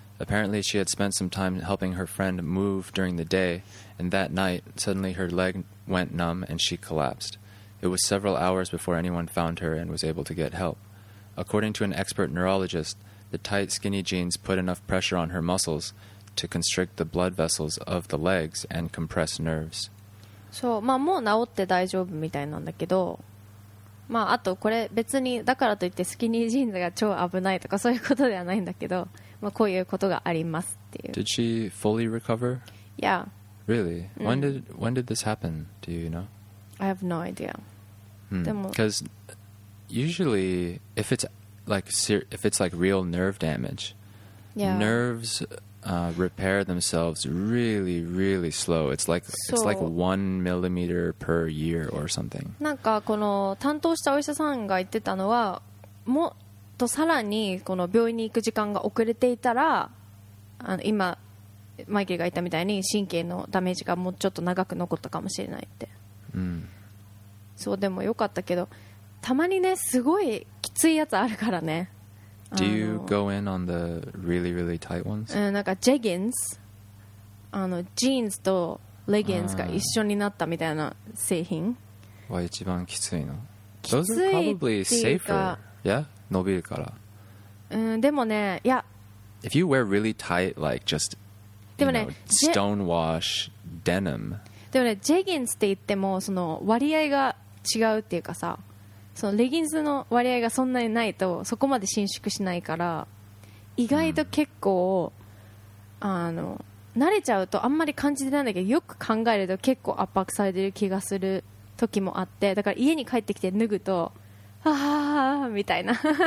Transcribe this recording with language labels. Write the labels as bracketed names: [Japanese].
[English] Apparently, she had spent some time helping her friend move during the day, and that night, suddenly her leg went numb and she collapsed. It was several hours before anyone found her and was able to get help. According to an expert neurologist, the tight skinny jeans put enough pressure on her muscles to constrict the blood vessels of the legs and compress nerves. [Japanese] そう、まあもう治って大丈夫みたいなんだけど、まああとこれ別にだからといってスキニージーンズが超危ないとかそういうことではないんだけど、まあこういうことがありますっていう。 [English] Did she fully recover? Yeah. Really? When did this happen? Do you know? I have no idea. Because usually if it's like real nerve damage, yeah. Nerves repair themselves really, really slow. It's like 1 millimeter per year or something. [Japanese] なんかこの担当したお医者さんが言ってたのは、もっとさらにこの病院に行く時間が遅れていたら、あの今マイケルが言ったみたいに神経のダメージがもうちょっと長く残ったかもしれないって。そうでもよかったけど、たまにねすごいきついやつあるからね。 [English] Do you go in on the really, really tight ones? [Japanese] なんかジェギンス、あのジーンズとレギンスが一緒になったみたいな製品は一番きついの。きついっていうか、 [English] Those are probably safer. Yeah? [Japanese] 伸びるから。でもね、いや、 [English] If you wear really tight, like just, you know, stone wash denim. [Japanese] でもね、ジェギンスって言ってもその割合が違うっていうかさ、そのレギンスの割合がそんなにないとそこまで伸縮しないから、意外と結構、あの慣れちゃうとあんまり感じてないんだけど、よく考えると結構圧迫されてる気がする時もあって、だから家に帰ってきて脱ぐと、はぁはぁはぁみたいな。